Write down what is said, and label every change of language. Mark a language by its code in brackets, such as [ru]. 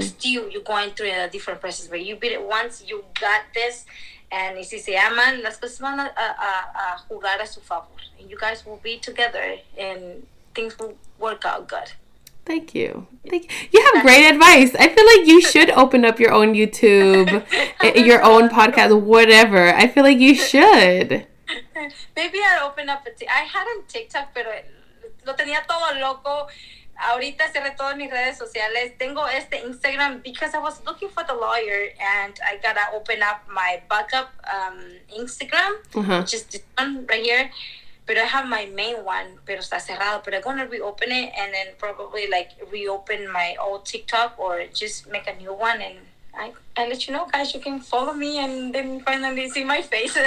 [en] Still, you're going through a different process, but you beat it once, you got this, and si se aman, las cosas van a jugar a su favor. And you guys will be together, and things will work out good. Thank you. Thank you. You have great advice. I feel like you should open up your own YouTube, your own podcast, whatever. I feel like you should. Maybe I'll open up a TikTok. I had a TikTok, pero lo tenía todo loco. [es] Ahorita cerré todas mis redes sociales. [en] Tengo este Instagram because I was looking for the lawyer and I gotta open up my backup Instagram, uh-huh. which is this one right here. Pero I have my main one, pero está cerrado. Pero I'm gonna reopen it and then probably like reopen my old TikTok or just make a new one and I let you know, guys, you can follow me and then finally see my face.